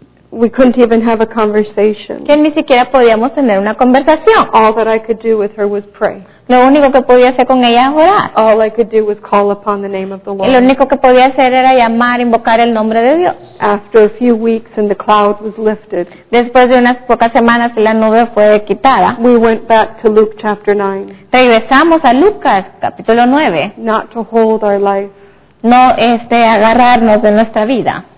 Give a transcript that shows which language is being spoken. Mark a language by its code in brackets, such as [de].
[en] We couldn't even have a conversation. [es] Que ni siquiera podíamos tener una conversación. [en] All that I could do with her was pray. [es] Lo único que podía hacer con ella era orar. [en] All I could do was call upon the name of the Lord. [es] Y lo único que podía hacer era llamar, invocar el nombre de Dios. [en] After a few weeks and the cloud was lifted. [es] Después de unas pocas semanas la nube fue quitada. [en] We went back to Luke chapter 9. [es] Regresamos a Lucas capítulo 9. [en] Not to hold our life. [es] No agarrarnos de nuestra vida.